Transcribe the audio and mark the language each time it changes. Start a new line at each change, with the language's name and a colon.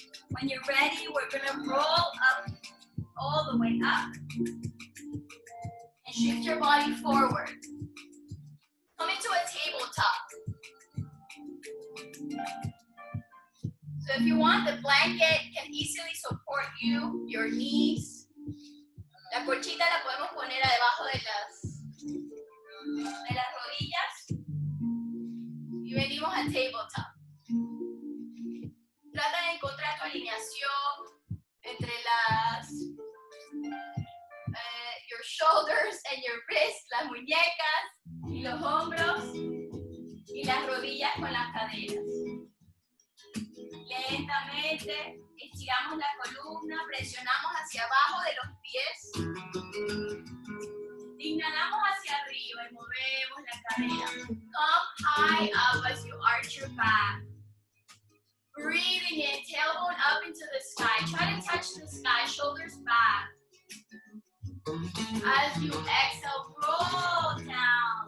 English: When you're ready, we're gonna roll up all the way up. And shift your body forward. Come into a tabletop. So if you want, the blanket can easily support you, your knees.
Spanish: La colchita la podemos poner debajo de las rodillas. Y venimos a tabletop. Trata de encontrar tu alineación entre las
English: your shoulders and your wrists,
Spanish: las muñecas y los hombros y las rodillas con las caderas. Lentamente estiramos la columna, presionamos hacia abajo de los pies. Inhalamos hacia arriba y movemos la cadera.
English: Come high up as you arch your back. Breathing in, tailbone up into the sky. Try to touch the sky, shoulders back. As you exhale, roll down.